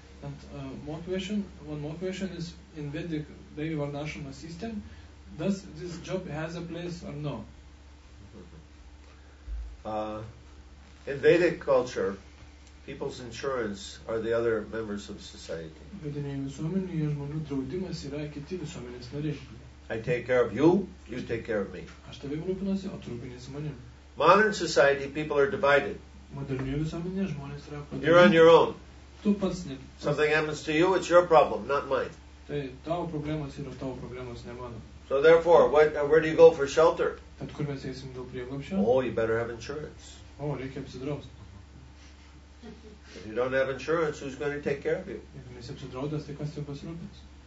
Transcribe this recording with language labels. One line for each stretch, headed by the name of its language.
English: And one more question is, in Vedic Devi Varnashrama system, does this job has a place or no? In Vedic culture, people's insurance are the other members of society. I take care of you, you take care of me.
Lithuanian: Aš tave rūpinuosi, o tu rūpinies manim.
English: Modern society, people are divided.
Lithuanian: Modernioje visuomenėje žmonės yra padalinti.
English: You're on your own.
Lithuanian: Tu pats ne.
English: Something happens to you, it's your problem, not mine.
Lithuanian: Tai tavo problemos yra tavo problemos, ne mano.
English: So therefore, where do you go for shelter?
Lithuanian: Tad kur mes eisim dėl prieglobščio?
English: Oh, you better have insurance.
Lithuanian: O, reikia apsidraust.
English: If you don't have insurance, who's going to take care of you?
Lithuanian: Jeigu nesi apsidraudęs, tai kas tau pasirūpins?